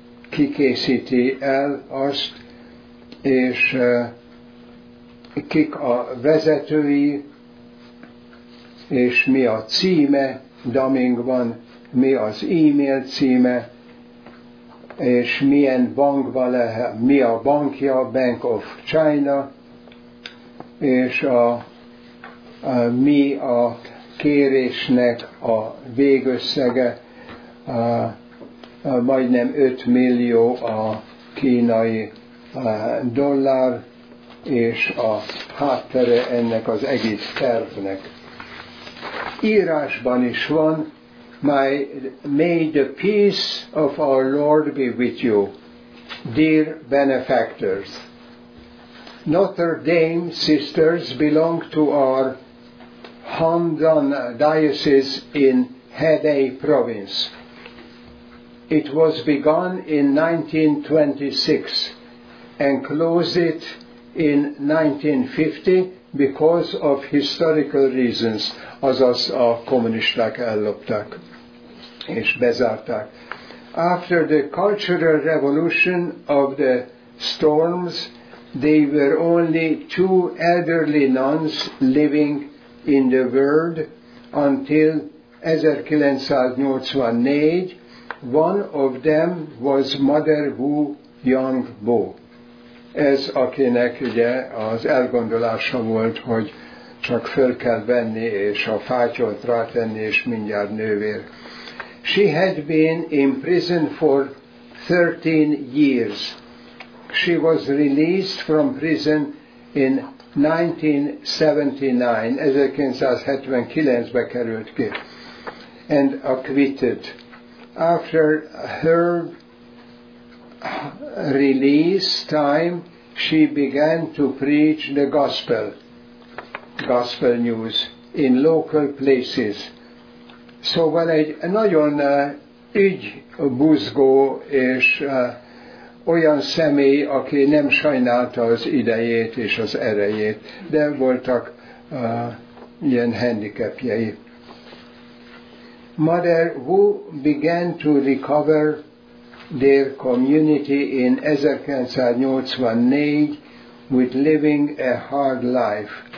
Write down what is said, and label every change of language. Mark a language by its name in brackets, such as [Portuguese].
[Hungarian] ki készíti el azt, és kik a vezetői, és mi a címe, Damingban, mi az e-mail címe, és milyen bankban lehet, mi a bankja, Bank of China, és mi a kérésnek a végösszege, majdnem 5 millió a kínai dollár, és a háttere ennek az egész tervnek. Írásban is van, [English] may the peace of our Lord be with you, dear benefactors. Notre Dame sisters belong to our Handan diocese in Hebei province. It was begun in 1926 and closed it in 1950 because of historical reasons, [Hungarian] azaz a kommunisták ellopták és bezárták. [English] After the Cultural Revolution of the Storms, they were only two elderly nuns living in the world until 1984. One of them was Mother Wu Yang Bo. [Hungarian] Ez akinek ugye az elgondolása volt, hogy csak föl kell venni és a fátyolt rátenni és mindjárt nővér. [English] She had been in prison for 13 years. She was released from prison in 1979, [Hungarian] 1979-ben került ki, [English] and acquitted. After her release time, she began to preach the gospel news in local places. [Hungarian] Szóval egy nagyon ügybuzgó és olyan személy, aki nem sajnálta az idejét és az erejét, de voltak ilyen handicapjei. [English] Mother Wu began to recover their community in 1984 with living a hard life.